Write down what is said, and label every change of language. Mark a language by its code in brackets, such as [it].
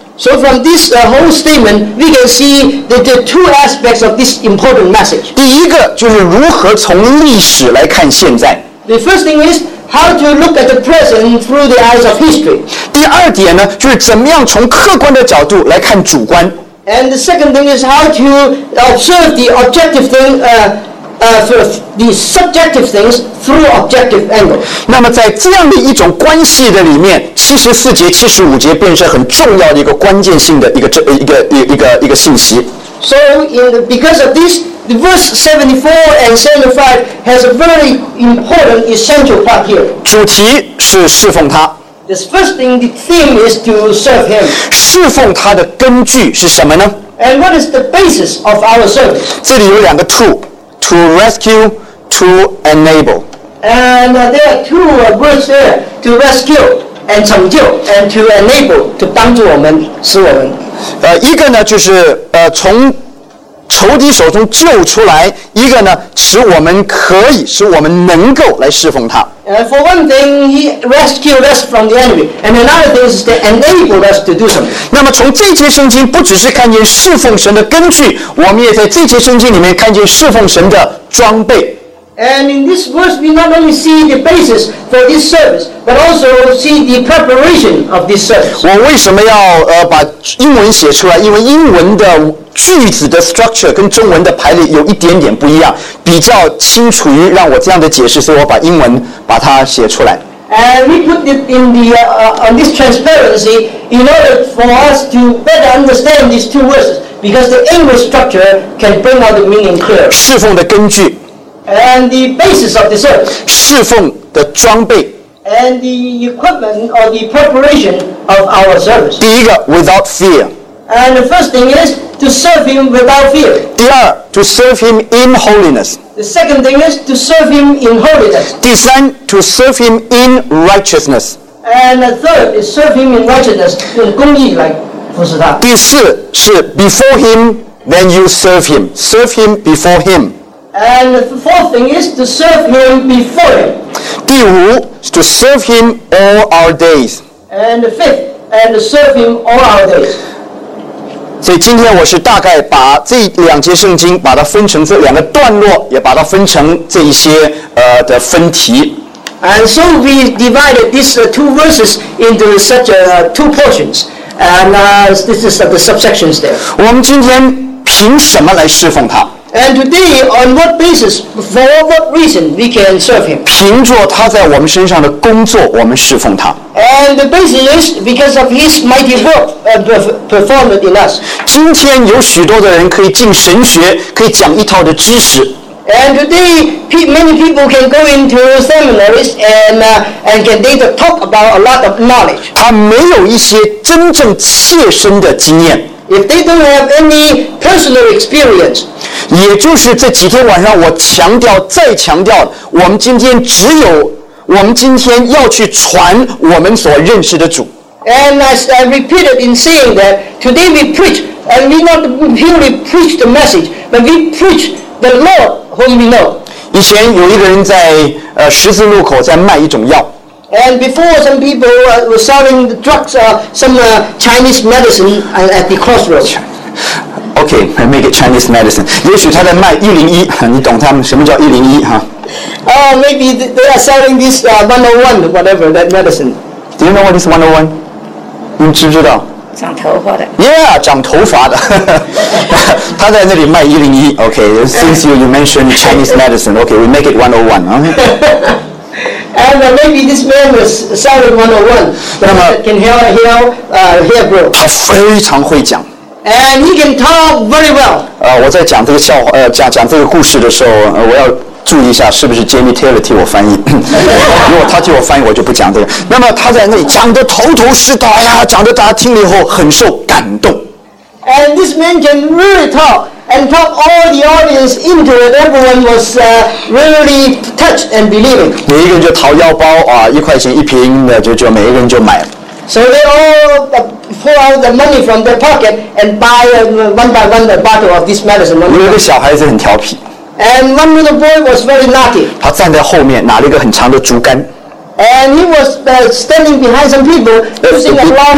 [en] So from this whole statement, we can see that there are two aspects of this important message. [zh] 第一个就是如何从历史来看现在。 [en] The first thing is how to look at the present through the eyes of history. [zh] 第二点呢，就是怎么样从客观的角度来看主观。 [en] And the second thing is how to observe the objective thing, the subjective things through objective angle. [zh] 那么在这样的一种关系的里面。74-75节便是很重要的一个关键性的一个信息。 [en] So in the, because of this, the verse 74 and 75 has a very important essential part here. [zh] 主题是侍奉他。 [en] The first thing, the theme is to serve him. [zh] 侍奉他的根据是什么呢 [en] ？And what is the basis of our service? [zh] 这里有两个 [en] to rescue, to enable. And there are two words there to rescue. and [zh] 拯救 [en] and to enable to [zh] 帮助我们使我们。一个呢就是从仇敌手中救出来，一个呢使我们可以使我们能够来侍奉他。 [en] For one thing, he rescued us from the enemy, and another thing is to enable us to do something. [zh] 那么从这节圣经不只是看见侍奉神的根据，我们也在这节圣经里面看见侍奉神的装备。 [en] And in this verse, we not only see the basis for this service, but also see the preparation of this service. [zh] 我为什么要把英文写出来？因为英文的句子的 structure 跟中文的排列有一点点不一样，比较清楚于让我这样的解释，所以我把英文把它写出来。 [en] And we put it in the on this transparency in order for us to better understand these two verses, because the English structure can bring out the meaning clear. [zh] 侍奉的根据。 [en] And the basis of the service. [zh] 侍奉的装备。 [en] And the equipment or the preparation of our service. [zh] 第一个 [en] ，without fear. And the first thing is to serve him without fear. [zh] 第二 [en] ，to serve him in holiness. The second thing is to serve him in holiness. 第三 ，to serve him in righteousness. And the third is serve him in righteousness, [zh] 用公义来服侍他。第四是 [en] before him, then you serve him. Serve him before him. And the fourth thing is to serve him before him. [zh] 第五 [en] is to serve him all our days. And the fifth, and to serve him all our days. [zh] 所以今天我是大概把这两节圣经把它分成这两个段落，也把它分成这一些的分题。 [en] And so we divided these two verses into such two portions. And this is the subsections there. [zh] 我们今天凭什么来侍奉他？ [en] And today, on what basis, for what reason, we can serve him? [zh] 凭着他在我们身上的工作，我们侍奉他。 [en] And the basis is because of his mighty work performed in us. [zh] 今天有许多的人可以进神学，可以讲一套的知识。 [en] And today, many people can go into seminaries and can they talk about a lot of knowledge. [zh] 他没有一些真正切身的经验。 [en] If they don't have any personal experience, [zh] 也就是这几天晚上，我强调再强调，我们今天只有我们今天要去传我们所认识的主。 [en] And as I repeated in saying that today we preach, and we not purely preach the message, but we preach the Lord whom we know. [zh] 以前有一个人在十字路口在卖一种药。 [en] And before, some people were selling the drugs, some Chinese medicine at the crossroads. Okay, make it Chinese medicine. [zh] 也许他在卖101，你懂他们什么叫101哈？ [en] Maybe they are selling this 101, whatever that medicine. Do you know what is 101? [zh] 你知不知道？长头发的，Yeah， 长头发的，他在那里卖101。 [en] Okay, since you mentioned Chinese medicine, okay, we make it 101. Okay. And maybe this man was selling 101, but can hear grow. [zh] 他非常会讲。 [en] And he can talk very well. [zh] 我在讲这个笑话，讲这个故事的时候，我要注意一下是不是 Jamie Taylor 替我翻译。如果他替我翻译，我就不讲这个。那么他在那里讲得头头是道呀，讲得大家听了以后很受感动。 [en] And this man can really talk. And talk all the audience into it. Everyone was really touched and believing. [zh] 每一个人就掏腰包啊，一块钱一瓶的，就每一个人就买了。 [en] So they all pull out the money from their pocket and buy one by one the bottle of this medicine. [zh] 有一个小孩子很调皮。 [en] And one little boy was very naughty. [zh] 他站在后面拿了一个很长的竹竿。 [en] And he was standing behind some people using a long